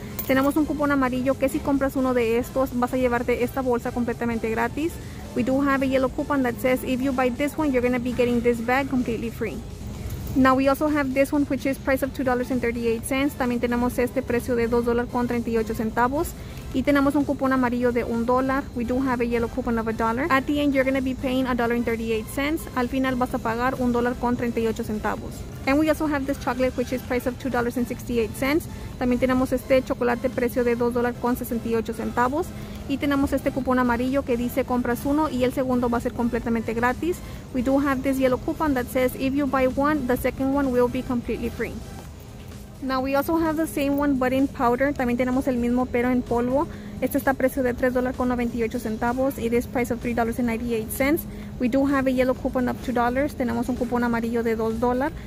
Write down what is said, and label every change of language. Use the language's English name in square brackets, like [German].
[Spanish] Tenemos un cupón amarillo que si compras uno de estos, vas a llevarte esta bolsa completamente gratis. [English] We do have a yellow coupon that says if you buy this one, you're going to be getting this bag completely free. Now we also have this one, which is price of $2.38. [Spanish] También tenemos este precio de $2.38. Y tenemos un cupón amarillo de $1. [English] We do have a yellow coupon of $1. At the end, you're going to be paying $1.38. [Spanish] Al final vas a pagar $1.38. [English] And we also have this chocolate, which is price of $2.68. [Spanish] También tenemos este chocolate precio de $2.68. Y tenemos este cupón amarillo que dice compras uno y el segundo va a ser completamente gratis. [English] We do have this yellow coupon that says if you buy one, the second one will be completely free. Now we also have the same one but in powder. [Spanish] También tenemos el mismo pero en polvo. Esto está a precio de $3.98 y [English] this price of $3.98. We do have a yellow coupon of $2. [Spanish] Tenemos un cupón amarillo de $2.